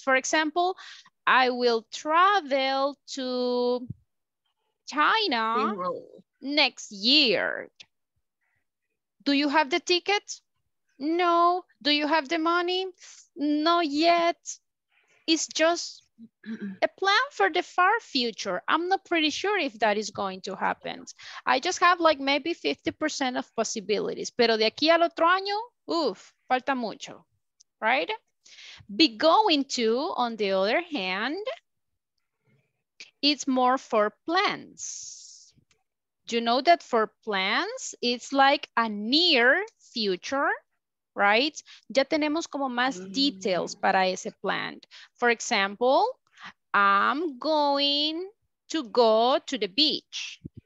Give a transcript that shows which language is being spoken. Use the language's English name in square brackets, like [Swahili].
[English] For example, I will travel to China next year. Do you have the ticket? No. Do you have the money? Not yet. It's just a plan for the far future. I'm not pretty sure if that is going to happen. I just have like maybe 50% of possibilities. [Spanish] Pero de aquí al otro año, falta mucho, right? [English] Be going to, on the other hand, it's more for plans. You know that for plans, it's like a near future, right? [Spanish] Ya tenemos como más details para ese plan. [English] For example, I'm going to go to the beach.